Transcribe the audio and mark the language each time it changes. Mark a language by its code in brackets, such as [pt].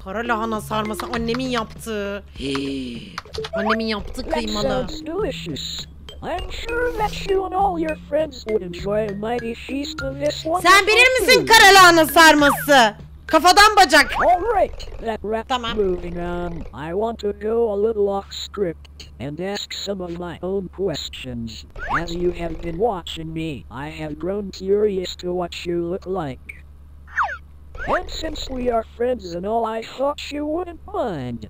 [tr] Kara lahana sarması annemin yaptığı. Annemin yaptığı kıymalı. [en] I'm sure that you and all your friends would enjoy a mighty feast of this one. [tr] Sen bilir misin kara lahana sarması? Kafadan bacak. [en] All right, that wraps [tr] tamam. [en] Moving on. I want to go a little off script and ask some of my own questions. As you have been watching me, I have grown curious to what you look like. And since we are friends and all, I thought you wouldn't mind.